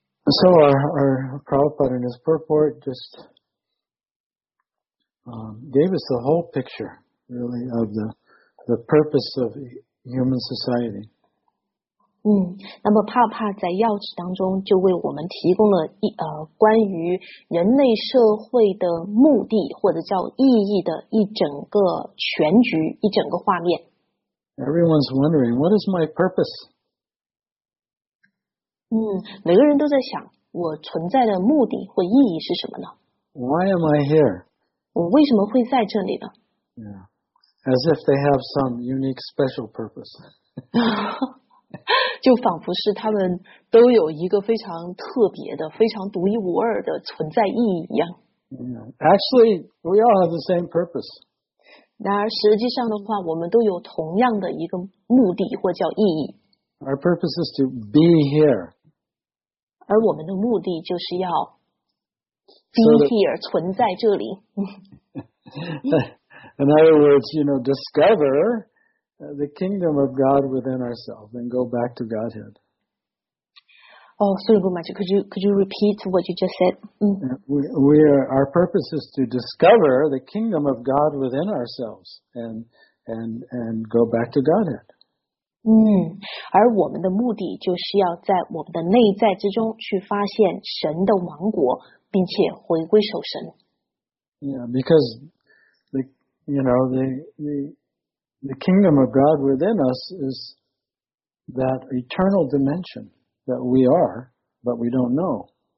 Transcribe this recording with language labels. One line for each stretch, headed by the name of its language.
English: So our Prabhupada in his purport just gave us the whole picture, really, of the purpose of human society.
Chinese: 那么帕帕在要旨当中就为我们提供了关于人类社会的目的或者叫意义的一整个全局一整个画面。
English: Everyone's wondering, what is my purpose?
Chinese: 每个人都在想我存在的目的或意义是什么呢？
English: Why am I here?
Chinese: 我为什么会在这里呢？
English: Yeah. As if they have some unique special purpose.
Chinese: 就仿佛是他们都有一个非常特别的非常独一无二的存在意义一样
English: Actually, we all have the same purpose.
Chinese: 然而实际上的话，我们都有同样的一个目的或叫意义。
English: Our purpose is to be here.
Chinese: 而我们的目的就是要
English: be here,
Chinese: 存在这里。
English: In other words, you know, discover the kingdom of God within ourselves and go back to Godhead. Oh, sorry, Guruji, could you repeat what you just said? Our purpose is to discover the kingdom of God within ourselves and go back to Godhead.
Chinese: 而我们的目的就是要在我们的内在之中去发现神的王国，并且回归守神。
English: Yeah, because the kingdom of God within us is that eternal dimension that we are, but we don't know.